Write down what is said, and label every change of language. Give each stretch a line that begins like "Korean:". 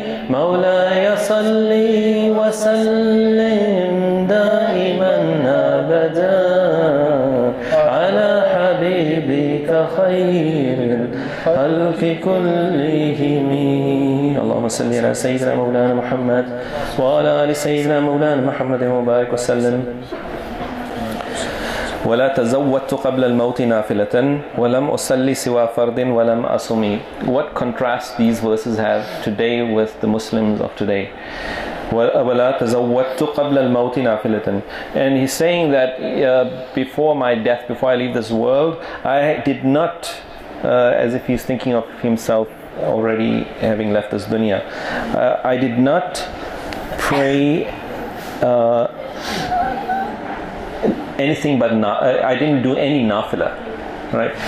Arabic: مولا يصلي وسلم دائما أبدا على حبيبك خير الخلق كلهم. اللهم صل على سيدنا مولانا محمد وعلى آل سيدنا مولانا محمد المبارك وسلم. ولا تزودت قبل الموت نافلة ولم أصلي سوى فرض ولم أصمي.
English: What contrast these verses have today with the Muslims of today.
Arabic: ولا تزودت قبل الموت نافلة.
English: And he's saying that before my death, before I leave this world, I did not, as if he's thinking of himself already having left this dunya, I did not pray anything but I didn't do any nafila, right?